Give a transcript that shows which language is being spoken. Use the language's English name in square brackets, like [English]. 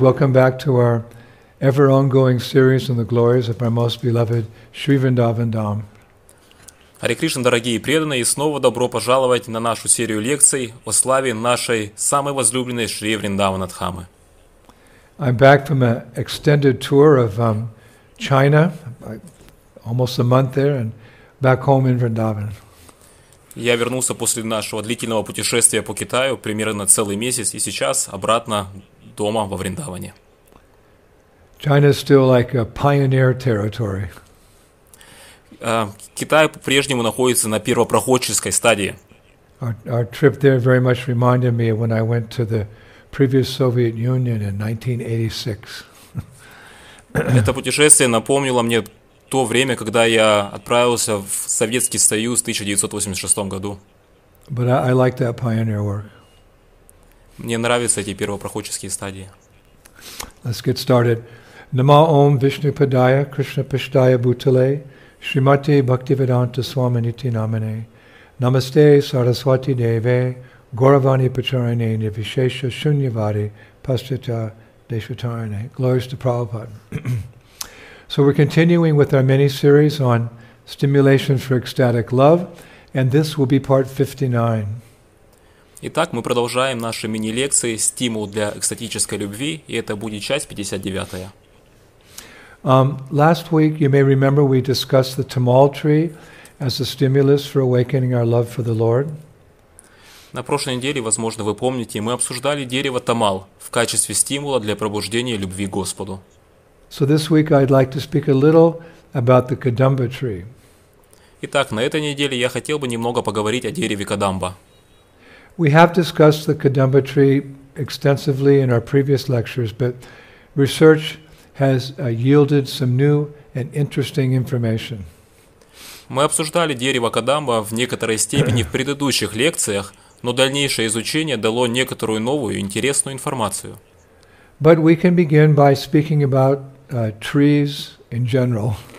[English] Welcome back to our ever-ongoing series on the glories of our most beloved Sri Vrindavan Dham. [Russian] Hare Krishna, дорогие преданные, и снова добро пожаловать на нашу серию лекций о славе нашей самой возлюбленной Шри Вриндавана Дхамы. [English] I'm back from an extended tour of China, almost a month there, and back home in Vrindavan. [Russian] Я вернулся после нашего длительного путешествия по Китаю примерно целый месяц, и сейчас обратно дома во Вриндаване. [English] China is still like a pioneer territory. [Russian] Китай по-прежнему находится на первопроходческой стадии. [English] Our trip there very much reminded me of when I went to the previous Soviet Union in 1986. [Russian] Это путешествие напомнило мне то время, когда я отправился в Советский Союз в 1986 году. [English] But I like that pioneer work. [Russian] Мне нравятся эти первопроходческие стадии. [English] Let's get started. [Sanskrit] Нама Ом Вишну Падая Кришна Пиштая Бутале Шримати Бхактивиданта Свамините Намане Намасте Сарасвати Деве Гуравани Пачарани Нивишеша Шуньявари Пасчата Дешатарани. [English] Glories to Prabhupada. So we're continuing with our mini-series on stimulation for ecstatic love, and this will be part 59. [Russian] Итак, мы продолжаем наши мини-лекции «Стимул для экстатической любви», и это будет часть 59-я. [English] Last week, you may remember, we discussed the tamal tree as a stimulus for awakening our love for the Lord. [Russian] На прошлой неделе, возможно, вы помните, мы обсуждали дерево тамал в качестве стимула для пробуждения любви к Господу. [English] So this week I'd like to speak a little about the kadamba tree. [Russian] Итак, на этой неделе я хотел бы немного поговорить о дереве кадамба. [English] We have discussed the kadamba tree extensively in our previous lectures, but research has yielded some new and interesting information. [Russian] Мы обсуждали дерево кадамба в некоторой степени в предыдущих лекциях, но дальнейшее изучение дало некоторую новую интересную информацию. [English] But we can begin by speaking about trees in general.